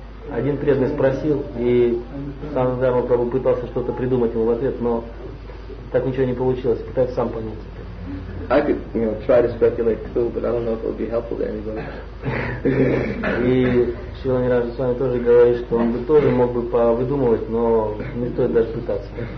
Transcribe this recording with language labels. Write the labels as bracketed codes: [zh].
[ru] Один преданный спросил, и сам Дарма Прабху пытался что-то придумать ему в ответ, но так ничего не получилось. Пытается сам понять. [en] I could, you know, try to speculate too, but I don't know if it would be helpful to anybody. [ru] И Шрила Нираджа с вами тоже говорит, что он бы тоже мог бы повыдумывать, но не стоит даже пытаться.